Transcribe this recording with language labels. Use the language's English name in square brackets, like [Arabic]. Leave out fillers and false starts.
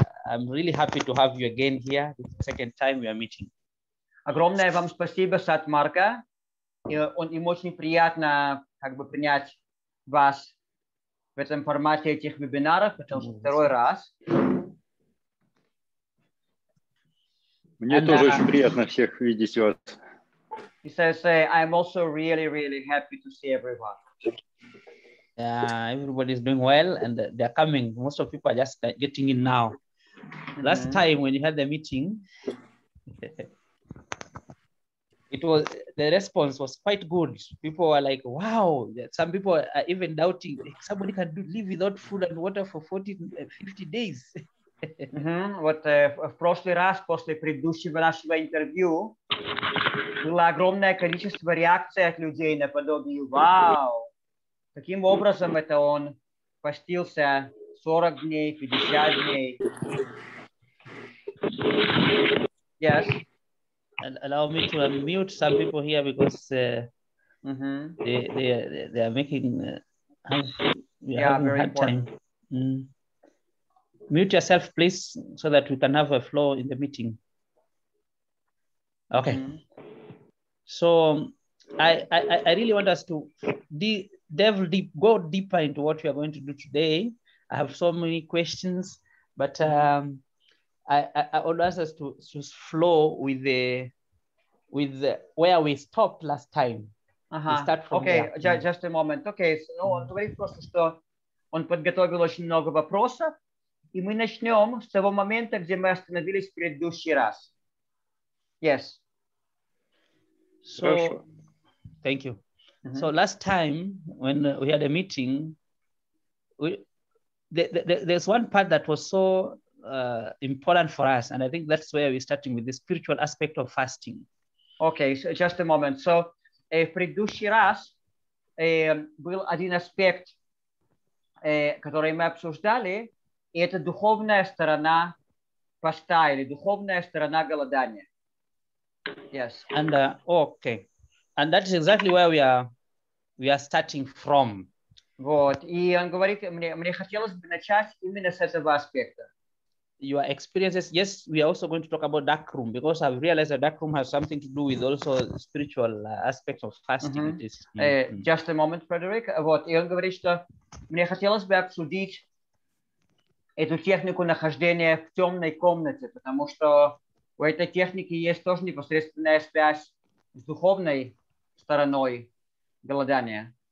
[English] I'm really happy to have you again here. This is the second time we are meeting. [Russian] Огромное вам спасибо, Сатмарка. Он им очень приятно как бы принять вас в этом формате этих вебинаров, потому что второй раз. Мне тоже очень приятно всех видеть вас. [English] He says, I'm also really, really happy to see everyone. Yeah, everybody is doing well and they're coming. Most of people are just getting in now. Last time when you had the meeting, it was the response was quite good. People were like, wow, some people are even doubting somebody can live without food and water for 40-50 days. [Russian] Вот в прошлый раз, после предыдущего нашего интервью, было огромное количество реакций от людей наподобие «Вау!». Каким образом это он постился 40 дней, 50 дней? [English] Yes. Allow me to unmute some people here because they are making very hard important. Time. Mute yourself, please, so that we can have a flow in the meeting. Okay. So I really want us to go deeper into what we are going to do today. I have so many questions, but I would ask us to flow with the where we stopped last time. Start from okay, there. Just a moment. Okay, so [Russian] он говорит просто, что он подготовил очень много вопросов, и мы начнем с того момента, где мы остановились в предыдущий раз. [English] Yes. So, thank you. So last time when we had a meeting, there's one part that was so important for us, and I think that's where we're starting with the spiritual aspect of fasting. Okay, so just a moment. So [Russian] в предыдущий раз был один аспект, который мы обсуждали, и это духовная сторона поста или духовная сторона голодания. [English] Yes. And okay, and that is exactly where we are. We are starting from. [Russian] Вот. И он говорит, мне хотелось бы начать именно с этого аспекта. [English] Your experiences, yes, we are also going to talk about dark room because I've realized that dark room has something to do with also spiritual aspects of fasting. Mm-hmm. This, just a moment, Frederick. [Russian] Вот. И он говорит, что мне хотелось бы обсудить эту технику нахождения в темной комнате, потому что у этой техники есть тоже непосредственная связь с духовной стороной. Голодание.